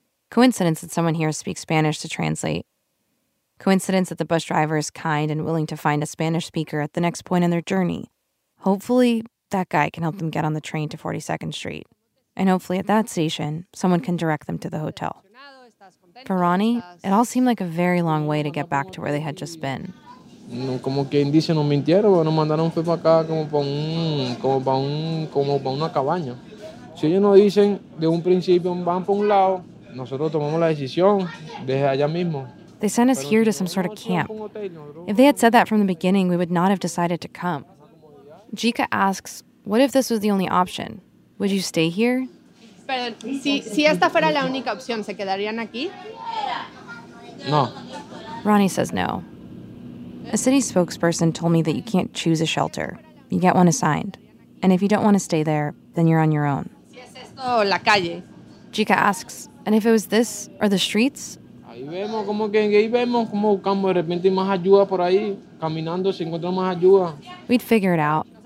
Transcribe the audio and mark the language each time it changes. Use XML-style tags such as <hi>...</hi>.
<en>Coincidence that someone here speaks Spanish to translate. Coincidence that the bus driver is kind and willing to find a Spanish speaker at the next point in their journey. Hopefully, that guy can help them get on the train to 42nd Street. And hopefully at that station, someone can direct them to the hotel. For Ronnie, it all seemed like a very long way to get back to where they had just been.</en> <es>Como que dice no mintieron, nos mandaron fue para acá como para una cabaña. Si ellos nos dicen de un principio van para un lado, nosotros tomamos la decisión desde allá mismo.</es> <en>They sent us here to some sort of camp. If they had said that from the beginning, we would not have decided to come. Jika asks, "What if this was the only option? Would you stay here?"</en> <es>Pero si esta fuera la única opción, ¿se quedarían aquí? No.</es> <en>Ronnie says no. A city spokesperson told me that you can't choose a shelter. You get one assigned. And if you don't want to stay there, then you're on your own. Chica asks, and if it was this or the streets? We'd figure it out.</en>